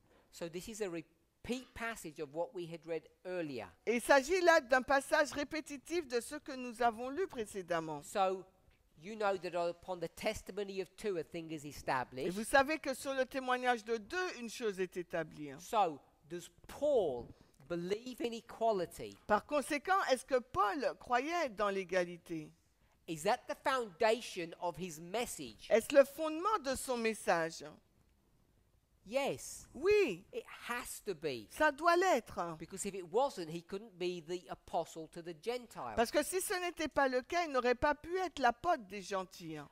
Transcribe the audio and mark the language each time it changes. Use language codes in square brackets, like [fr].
[en] So this is a passage of what we had read earlier. [fr] Il s'agit là d'un passage répétitif de ce que nous avons lu précédemment. [en] So, you know that upon the testimony of two, a thing is established. [fr] Et vous savez que sur le témoignage de deux, une chose est établie. [en] So, does Paul believe in equality? [fr] Par conséquent, est-ce que Paul croyait dans l'égalité? [en] Is that the foundation of his message? [fr] Est-ce le fondement de son message? [en] Yes. [fr] Oui. [en] It has to be. [fr] Ça doit l'être. [en] Because if it wasn't, he couldn't be the apostle to the Gentiles. [fr] Parce que si ce n'était pas le cas, il n'aurait pas pu être l'apôtre des gentils.